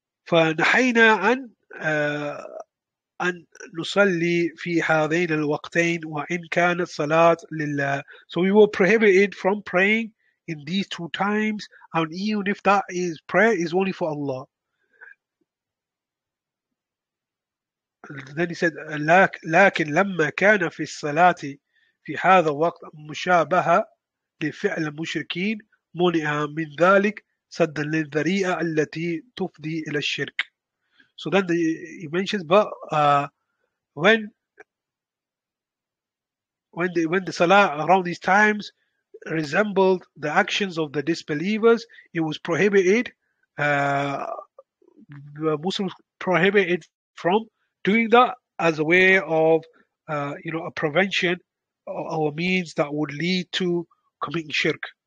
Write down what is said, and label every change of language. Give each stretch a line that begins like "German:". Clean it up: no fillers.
Arabic: فَنَحَيْنَا أَنْ نُصَلِّي فِي هَذَيْنَ الْوَقْتَيْنِ وَإِنْ كَانَتْ صَلَاةٌ لِلَّهِ.
English: So we were prohibited from praying in these two times, and even if that is prayer, is only for Allah. Then he said,
Arabic: لكن لما كان في الصلاة في هذا الوقت مشابهة لفعل المشركين منع من ذلك سدا للذريعة التي تفضي إلى الشرك.
English: So then he mentions, but when the Salah around these times resembled the actions of the disbelievers, it was prohibited, Muslims prohibited from doing that as a way of, a prevention or a means that would lead to committing shirk.